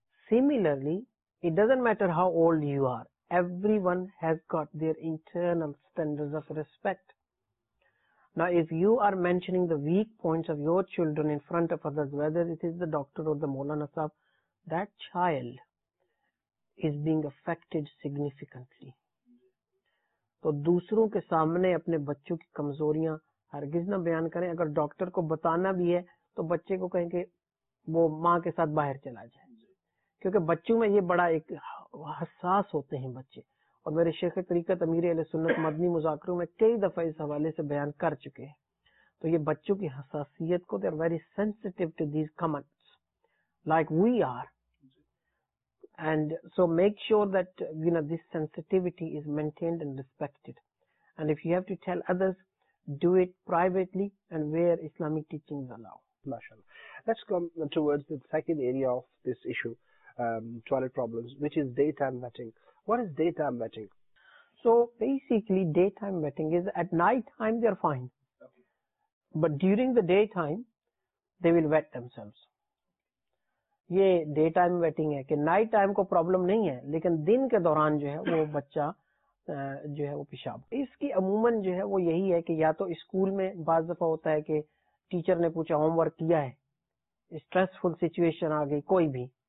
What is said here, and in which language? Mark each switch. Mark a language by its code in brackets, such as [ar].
[en] Similarly, it doesn't matter how old you are, everyone has got their internal standards of respect. Now, if you are mentioning the weak points of your children in front of others, whether it is the doctor or the Maulana Sahib, that child is being affected significantly. [ur] تو دوسروں کے سامنے اپنے بچوں کی کمزوریاں ہرگز نہ بیان کریں. اگر ڈاکٹر کو بتانا بھی ہے تو بچے کو کہیں کہ وہ ماں کے ساتھ باہر چلا جائے, کیونکہ بچوں میں یہ بڑا ایک حساس ہوتے ہیں بچے. اور میرے شیخ طریقت امیر علیہ سنت مدنی مذاکروں میں کئی دفعہ اس حوالے سے بیان کر چکے ہیں. تو یہ بچوں کی حساسیت کو, [en] They are very sensitive to these comments like we are. And so make sure that this sensitivity is maintained and respected. And if you have to tell others, do it privately and where Islamic teachings allow. MashaAllah. Let's come towards the second area of this issue, toilet problems, which is daytime wetting. What is daytime wetting? So basically, daytime wetting is at night time they are fine. Okay. But during the daytime, they will wet themselves. [ur] یہ day time waiting ہے کہ night time کو problem نہیں ہے لیکن دن کے دوران جو ہے وہ بچہ جو ہے وہ پیشاب. اس کی عموماً جو ہے وہ یہی ہے کہ یا تو اسکول میں بعض دفعہ ہوتا ہے کہ ٹیچر نے پوچھا ہوم ورک کیا ہے, اسٹریس فل سچویشن آ گئی کوئی بھی,